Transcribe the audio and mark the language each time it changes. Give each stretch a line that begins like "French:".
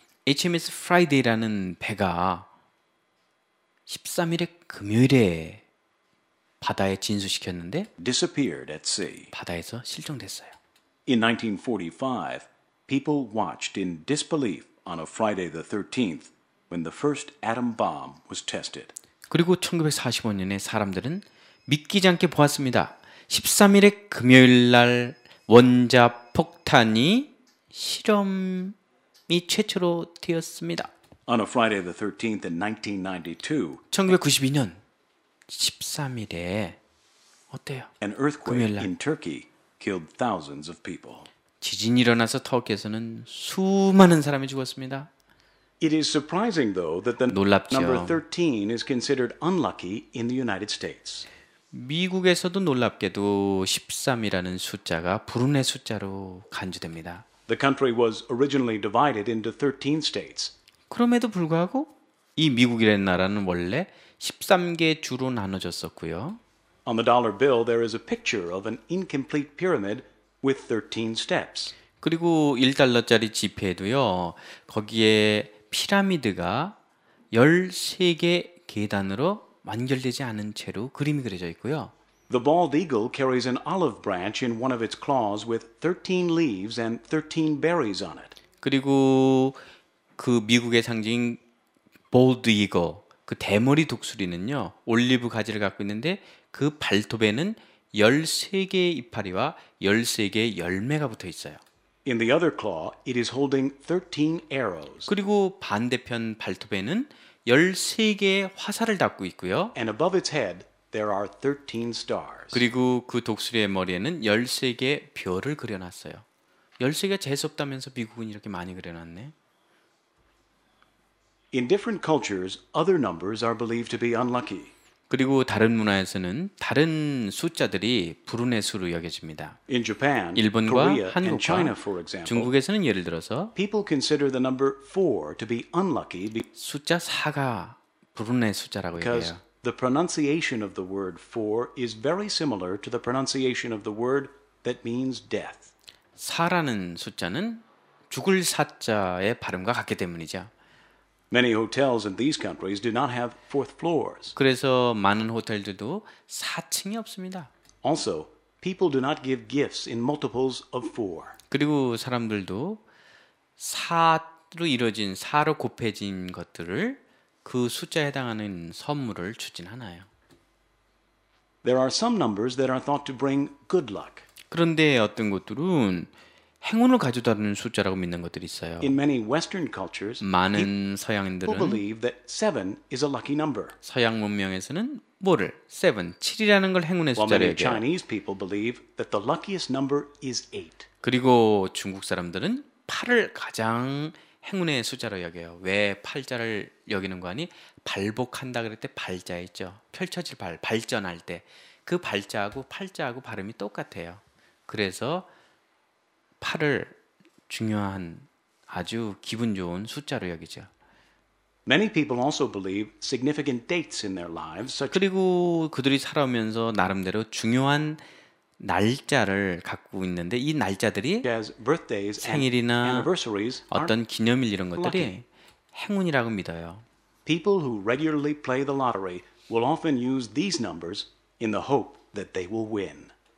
Korean: HMS Friday라는 배가 13일의 금요일에 바다에 진수시켰는데
English: disappeared at sea.
Korean: 바다에서 실종됐어요.
English: In 1945, people watched in disbelief on a Friday the 13th when the first atom bomb was tested.
Korean: 그리고 1945년에 사람들은 믿기지 않게 보았습니다. 13일의 금요일 날 원자 폭탄이 실험이 최초로 되었습니다.
English: On a Friday the 13th in 1992.
Korean: 1992년 13일에 어때요?
English: An earthquake in Turkey killed thousands of people.
Korean: 지진이 일어나서 터키에서는 수많은 사람이 죽었습니다.
English: It is surprising though that the
Korean: 놀랍죠.
English: number 13 is considered unlucky in the United States.
Korean: 미국에서도 놀랍게도 13이라는 숫자가 불운의 숫자로 간주됩니다.
English: The country was originally divided into 13 states.
Korean: 그럼에도 불구하고 이 미국이라는 나라는 원래 13개 주로 나눠졌었고요.
English: On the dollar bill there is a picture of an incomplete pyramid with 13 steps.
Korean: 그리고 1달러짜리 지폐에도요. 거기에 피라미드가 13개 계단으로 완결되지 않은 채로 그림이 그려져 있고요.
English: The bald eagle carries an olive branch in one of its claws with 13 leaves and 13 berries on it.
Korean: 그리고 그 미국의 상징인
English: bald eagle
Korean: 그 대머리 독수리는요. 올리브 가지를 갖고 있는데 그 발톱에는 13개의 이파리와 13개의 열매가 붙어 있어요.
English: In the other claw, it is holding 13 arrows.
Korean: 그리고 반대편 발톱에는 13개의 화살을 담고 있고요.
English: And above its head, there are 13 stars.
Korean: 그리고 그 독수리의 머리에는 13개의 별을 그려놨어요. 13개가 재수없다면서 미국은 이렇게 많이 그려놨네.
English: In different cultures, other numbers are believed to be unlucky.
Korean: 그리고 다른 문화에서는 다른 숫자들이 불운의 수로 여겨집니다.
English: In Japan,
Korean: 일본과
English: Korea,
Korean: 한국과
English: China, for example,
Korean: 중국에서는 예를 들어서
English: people consider the number 4 to be unlucky
Korean: 숫자 4가 불운의 숫자라고 얘기해요.
English: Because the pronunciation of the word 4 is very similar to the pronunciation of the word that means death.
Korean: 4라는 숫자는 죽을 사자의 발음과 같기 때문이죠.
English: Many hotels in these countries do not have fourth floors.
Korean: 그래서 많은 호텔들도 4층이 없습니다.
English: Also, people do not give gifts in multiples of 4.
Korean: 그리고 사람들도 4로 이루어진 4로 곱해진 것들을 그 숫자에 해당하는 선물을 주진 않아요.
English: There are some numbers that are thought to bring good luck.
Korean: 그런데 어떤 것들은 행운을 가져다주는 숫자라고 믿는 것들이 있어요.
English: In many Western cultures,
Korean: 많은 서양인들은
English: people believe that 7 is a lucky number.
Korean: 서양 문명에서는 뭐를? 7, 7이라는 걸 행운의 숫자라고 해요.
English: While many Chinese people believe that the luckiest number is 8.
Korean: 그리고 중국 사람들은 8을 가장 행운의 숫자로 여겨요. 왜 8자를 여기는 거 아니? 발복한다 그럴 때 발자 있죠. 펼쳐질 발, 발전할 때 그 발자하고 8자하고 발음이 똑같아요. 그래서 8을 중요한 아주 기분 좋은 숫자로 여기죠.
English: Many people also believe significant dates in their lives.
Korean: 그리고 그들이 살아오면서 나름대로 중요한 날짜를 갖고 있는데 이 날짜들이 생일이나 어떤 기념일 이런 것들이 행운이라고 믿어요.
English: People who regularly play the lottery will often use these numbers in the hope that they will win.